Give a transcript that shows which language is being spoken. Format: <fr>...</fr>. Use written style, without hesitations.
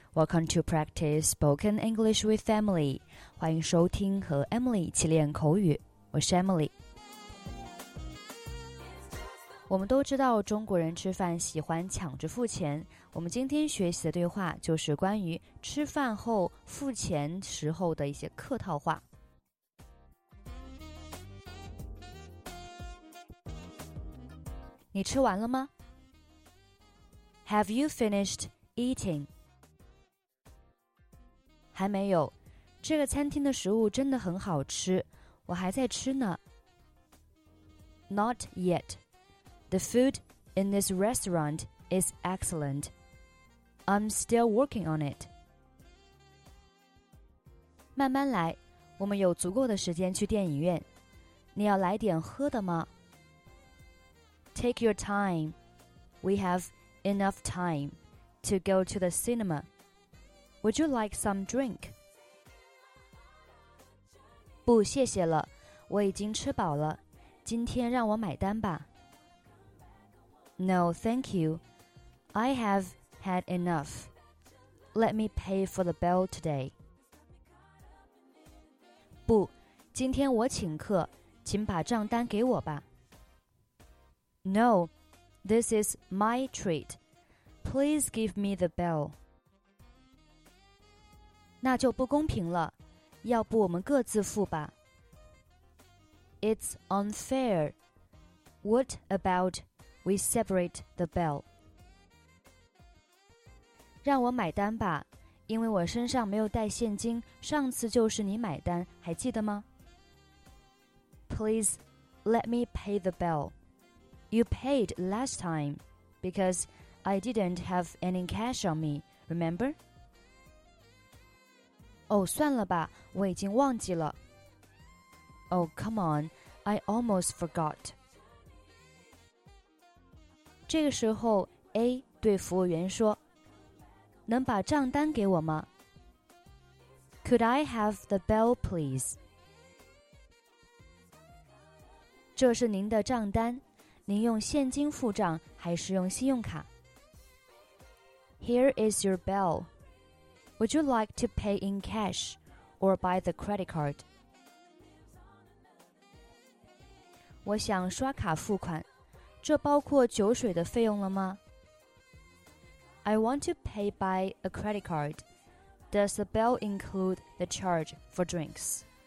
<en>Welcome to practice spoken English with Emily.</en> <zh>欢迎收听和 Emily 一起练口语。我是 Emily。我们都知道中国人吃饭喜欢抢着付钱。我们今天学习的对话就是关于吃饭后付钱时候的一些客套话。你吃完了吗？</zh> <en>Have you finished eating?</en> <zh>还没有，这个餐厅的食物真的很好吃，我还在吃呢。</zh> <en>Not yet. The food in this restaurant is excellent. I'm still working on it.</en> <zh>慢慢来，我们有足够的时间去电影院。你要来点喝的吗？</zh> <en>Take your time. We have... Enough time to go to the cinema. Would you like some drink?</en> <zh>不，谢谢了，我已经吃饱了，今天让我买单吧。</zh> <en>No, thank you. I have had enough. Let me pay for the bill today.</en> <zh>不，今天我请客，请把账单给我吧。</zh> <en>No, this is my treat. Please give me the bill.</en> <zh>那就不公平了，要不我们各自付吧。</zh> <en>It's unfair. What about we separate the bill?</en> <zh>让我买单吧，因为我身上没有带现金，上次就是你买单，还记得吗？</zh> <en>Please let me pay the bill. You paid last time, becauseI didn't have any cash on me, remember?</en> <zh>哦，算了吧，我已经忘记了。</zh> <en>Oh, come on, I almost forgot.</en> <zh>这个时候 ,A 对服务员说，能把账单给我吗？</zh> <en>Could I have the bill, please?</en> <zh>这是您的账单，您用现金付账还是用信用卡？</zh> <en>Here is your bill. Would you like to pay in cash or by the credit card?</en> <zh>我想刷卡付款，这包括酒水的费用了吗？</zh> <en>I want to pay by a credit card. Does the bill include the charge for drinks?</en>